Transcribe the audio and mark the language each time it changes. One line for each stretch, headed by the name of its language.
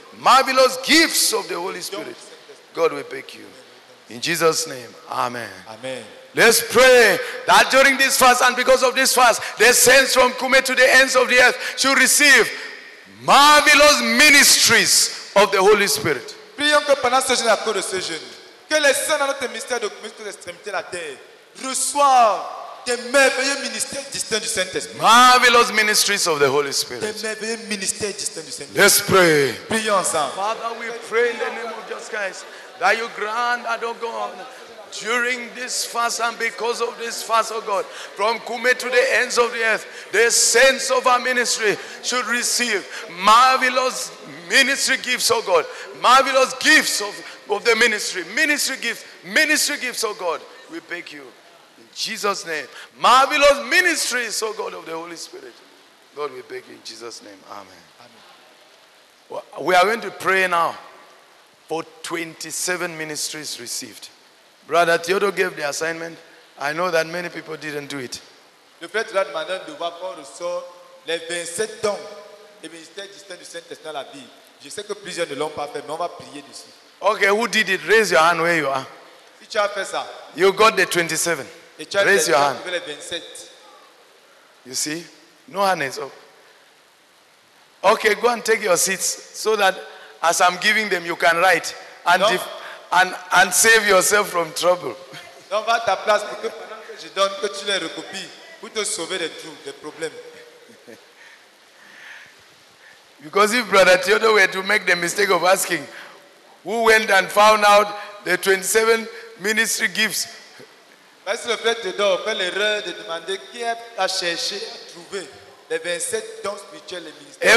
English: Marvelous gifts of the Holy Spirit. God, we beg you. In Jesus' name, amen. Amen. Let's pray that during this fast and because of this fast, the saints from Kume to the ends of the earth should receive marvelous ministries of the Holy Spirit.
French: Prions que pendant ce jeûne et à cause de ce jeûne, que les saints dans notre ministère de Kume jusqu'aux extrémités de la terre reçoivent des merveilleux ministères distincts du Saint-Esprit.
English: Marvelous ministries of the Holy Spirit.
French: Des merveilleux ministères distincts du Saint-Esprit.
English: Let's pray.
French: Prions ensemble.
English: Father, we pray in the name of Jesus Christ that you grant that, oh God, during this fast and because of this fast, oh God, from Kume to the ends of the earth, the saints of our ministry should receive marvelous ministry gifts, oh God. Marvelous gifts of the ministry. Ministry gifts, oh God. We beg you. In Jesus' name. Marvelous ministry, so God of the Holy Spirit. God, we beg you in Jesus' name. Amen. Amen. Well, we are going to pray now for 27 ministries received. Brother Theodo gave the assignment. I know that many people didn't do it.
French: Le frère Théodore a demandé de voir qu'on reçoit les 27 dons et ministères distincts du Saint-Esprit dans la vie. Je sais que plusieurs ne l'ont pas fait, mais on va prier dessus.
English: Okay, who did it? Raise your hand where you are.
French: Si tu as fait ça,
English: you got the 27.
French: Et tu as
English: raise your hand.
French: Les 27.
English: You see? No hand is up. Okay, go and take your seats so that as I'm giving them, you can write and
French: non.
English: And save yourself from trouble.
French: Non, va à ta place pour que pendant que je donne, que tu les recopies. Pour te sauver des trous, des problèmes.
English: Because if Brother Theodo were to make the mistake of asking who went and found out the 27 ministry gifts.
French: Mais si le frère Theodo fait l'erreur de demander qui a cherché, trouvé les 27 dons spirituels et ministères.